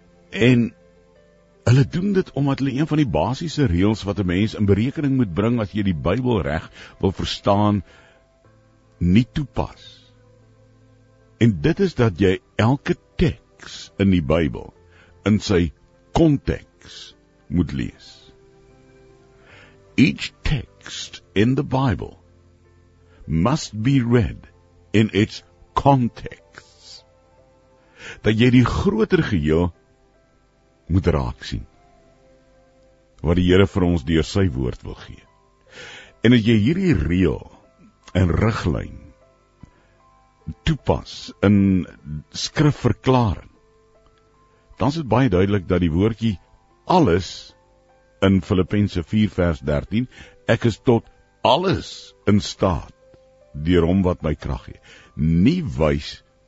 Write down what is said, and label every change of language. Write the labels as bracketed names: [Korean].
[Afrikaans] En hulle doen dit omdat hulle een van die basiese reëls wat 'n mens in berekening moet bring as jy die Bybel reg wil verstaan, nie toepas. En dit is dat jy elke teks in die Bybel in sy konteks moet lees. [English] Each text in the Bible must be read in its context. [Afrikaans] Dat jy die groter geheel moet raak sien, wat die Here vir ons deur sy woord wil gee. En as jy hierdie reël en riglyn toepas in skrifverklaring, dan is dit baie duidelik dat die woordjie alles in Filippense 4 vers 13, ek is tot alles in staat deur hom wat my krag gee, nie wys